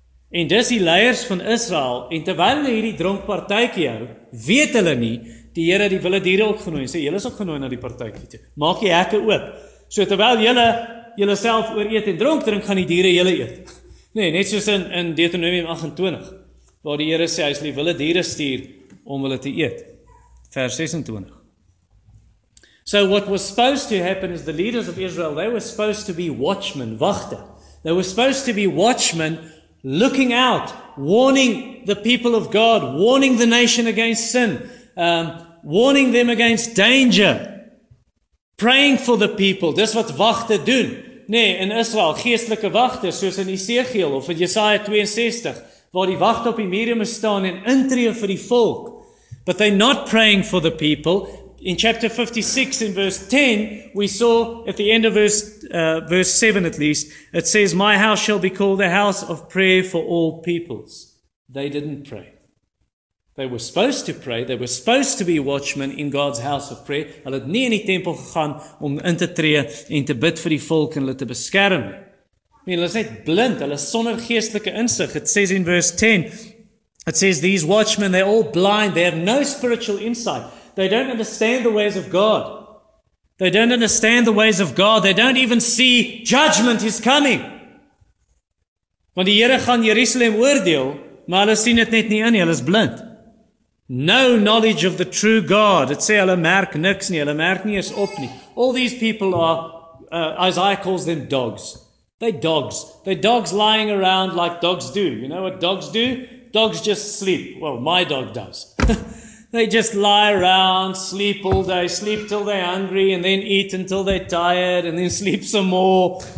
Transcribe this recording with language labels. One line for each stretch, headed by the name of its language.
Afrikaans: En dis die leiers van Israel, en terwyl hulle hierdie dronk partytjie hou, weet hulle nie, die Here die wilde diere ook genooi, en sê, julle is ook genooi na die partytjie toe, maak die hekke oop. So terwyl julle julle self oor eet en dronk drink, gaan die diere julle eet. Nee, net soos in Deuteronomium 28, waar die Here sê, hy sal die wilde diere stuur om hulle te eet. Vers 26.
English: So what was supposed to happen is the leaders of Israel, they were supposed to be watchmen, wachter. They were supposed to be watchmen, looking out, warning the people of God, warning the nation against sin, warning them against danger, praying for the people.
Afrikaans: Dis wat wagte doen. Nee, in Israel, geestelike wagte, soos in Esegiel of in Jesaja 62, waar die wagte op die mure moet staan en intree vir die volk.
English: But they're not praying for the people. In chapter 56, in verse 10, we saw at the end of verse 7 at least, it says, my house shall be called a house of prayer for all peoples. They didn't pray. They were supposed to pray. They were supposed to be watchmen in God's house of prayer.
Afrikaans: Hulle het nie in die tempel gegaan om in te tree en te bid vir die volk en hulle te beskerm. I mean, hulle is net blind. Hulle is sonder geestelike insig.
English: It says in verse 10, it says, these watchmen, they're all blind. They have no spiritual insight. They don't understand the ways of God. They don't understand the ways of God. They don't even see judgment is coming.
Afrikaans: Want die Here gaan Jerusalem oordeel, maar hulle sien dit net nie in nie, hulle is blind.
English: No knowledge of the true God.
Afrikaans: Dit sê hulle merk niks nie, hulle merk nie eens op nie.
English: All these people are, Isaiah calls them dogs. They're dogs. They're dogs lying around like dogs do. You know what dogs do? Dogs just sleep. Well, my dog does. They just lie around, sleep all day, sleep till they're hungry, and then eat until they're tired, and then sleep some more.